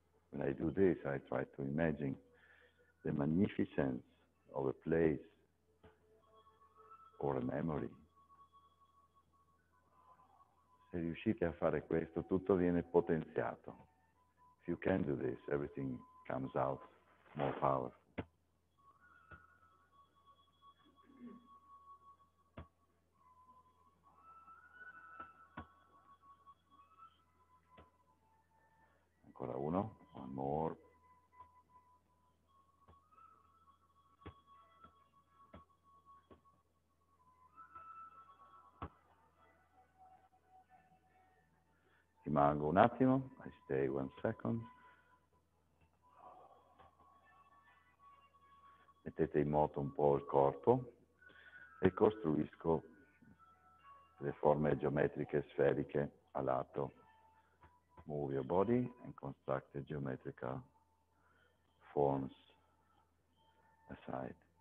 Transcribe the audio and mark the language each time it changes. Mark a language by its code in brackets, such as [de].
[en] When I do this, I try to imagine the magnificence of a place or a memory. [it] Se riuscite a fare questo, tutto viene potenziato. [en] If you can do this, everything comes out more powerful. [it] Ancora uno, [en] one more. [it] Rimango un attimo, [en] I stay one second. [it] Mettete in moto un po' il corpo e costruisco le forme geometriche sferiche a lato. [en] Move your body and construct the geometrical forms aside.